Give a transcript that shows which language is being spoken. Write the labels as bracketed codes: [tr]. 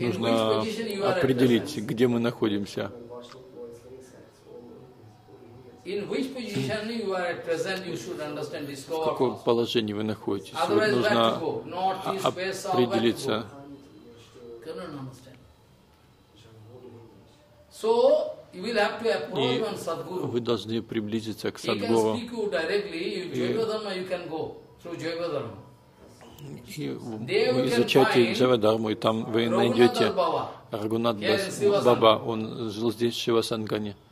[ru] Нужно определить, где мы находимся. [en] In which position you are at present, you should understand this. [ru] В каком положении вы находитесь? [en] Otherwise, [ru] вот нужно определиться. [en] So you will have to approach one Sadhguru. [ru] Вы должны приблизиться к Садхгуру. [en] He can speak you directly. You Jayavadharma, you can go through Jayavadharma. [ru] И вы изучаете Джавадарму, и там вы найдете Рагунат Баба. Он жил здесь, в Шивасангане.